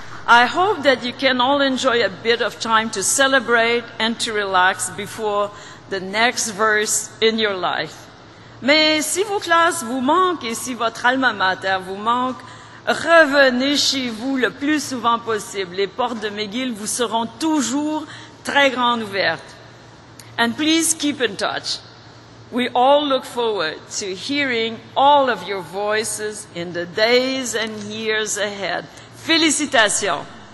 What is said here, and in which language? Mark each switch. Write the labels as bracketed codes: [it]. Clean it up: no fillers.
[en] I hope that you can all enjoy a bit of time to celebrate and to relax before the next verse in your life. [fr] Mais si vos classes vous manquent et si votre alma mater vous manque, revenez chez vous le plus souvent possible. Les portes de McGill vous seront toujours très grandes ouvertes. [en] And please keep in touch. We all look forward to hearing all of your voices in the days and years ahead. [fr] Félicitations.